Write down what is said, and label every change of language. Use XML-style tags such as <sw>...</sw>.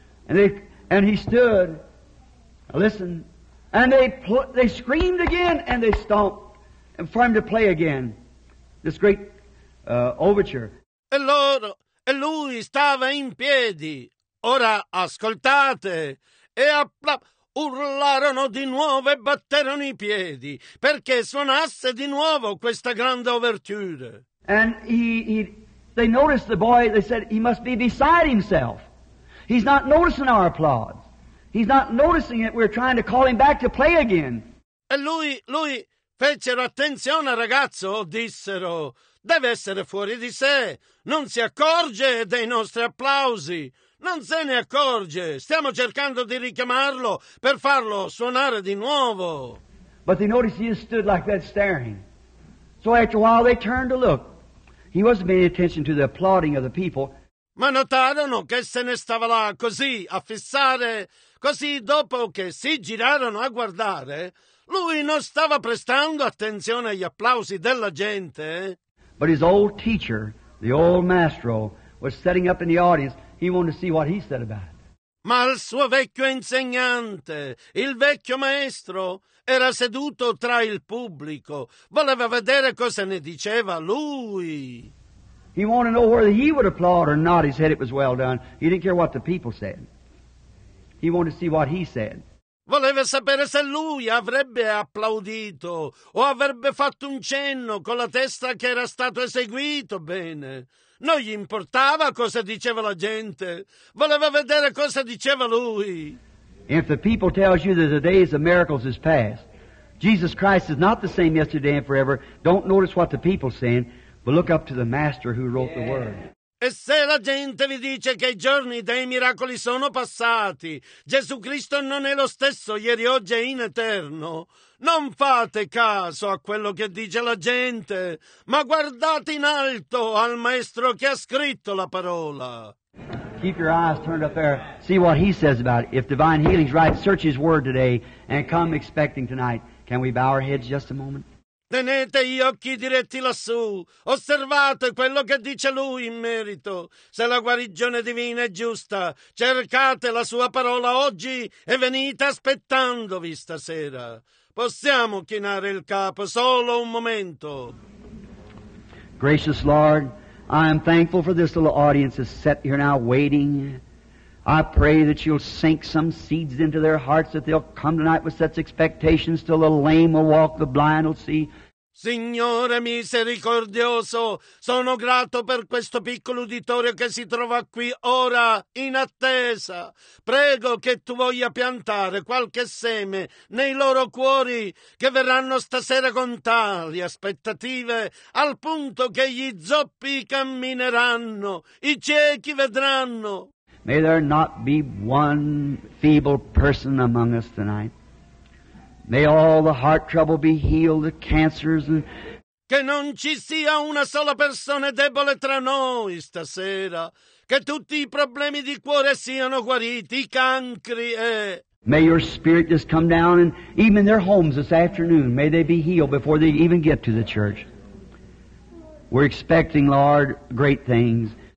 <en>And he stood, listen, and they screamed again and they stomped for him to play again this great overture.</en> <it>E loro, e lui stava in piedi. Ora ascoltate e urlarono di nuovo e batterono i piedi perché suonasse di nuovo questa grande overture.</it> <en>And they noticed the boy, they said he must be beside himself. He's not noticing our applause. He's not noticing it. We're trying to call him back to play again.</en> <it>E lui fecero attenzione al ragazzo, dissero, deve essere fuori di sé. Non si accorge dei nostri applausi. Non se ne accorge. Stiamo cercando di richiamarlo per farlo suonare di nuovo.</it> <en>But they noticed he just stood like that staring. So after a while they turned to look. He wasn't paying attention to the applauding of the people.</en> <it>Ma notarono che se ne stava là così a fissare. Così dopo che si girarono a guardare, lui non stava prestando attenzione agli applausi della gente.</it> <en>But his old teacher, the old maestro, was sitting up in the audience. He wanted to see what he said about it.</en> <it>Ma il suo vecchio insegnante, il vecchio maestro, era seduto tra il pubblico. Voleva vedere cosa ne diceva lui.</it> <en>He wanted to know whether he would applaud or not. He said it was well done. He didn't care what the people said. He wanted to see what he said.</en> <it>Voleva sapere se lui avrebbe applaudito o avrebbe fatto un cenno con la testa che era stato eseguito bene. Non gli importava cosa diceva la gente. Voleva vedere cosa diceva lui.</it> <en>If the people tells you that the days of miracles is past, Jesus Christ is not the same yesterday and forever, don't notice what the people saying, but look up to the Master who wrote the Word.</en> <it>E se la gente vi dice che i giorni dei miracoli sono passati, Gesù Cristo non è lo stesso ieri, oggi e in eterno, non fate caso a quello che dice la gente, ma guardate in alto al Maestro che ha scritto la parola.</it> <en>Keep your eyes turned up there. See what he says about it. If divine healing's right, search his word today and come expecting tonight. Can we bow our heads just a moment?</en> <it>Tenete gli occhi diretti lassù. Osservate quello che dice lui in merito. Se la guarigione divina è giusta, cercate la sua parola oggi e venite aspettandovi stasera. Possiamo chinare il capo solo un momento.</it> <en>Gracious Lord, I am thankful for this little audience that's set here now waiting. I pray that you'll sink some seeds into their hearts, that they'll come tonight with such expectations till the lame will walk, the blind will see.</en> <it>Signore misericordioso, sono grato per questo piccolo uditorio che si trova qui ora in attesa. Prego che tu voglia piantare qualche seme nei loro cuori, che verranno stasera con tali aspettative al punto che gli zoppi cammineranno, i ciechi vedranno.</it> <en>May there not be one feeble person among us tonight. May all the heart trouble be healed, the cancers and...</en> <it>Che non ci sia una sola persona debole tra noi stasera. Che tutti i problemi di cuore siano guariti, i cancri e...</it> <en>May your spirit just come down and even in their homes this afternoon, may they be healed before they even get to the church. We're expecting, Lord, great things.</en>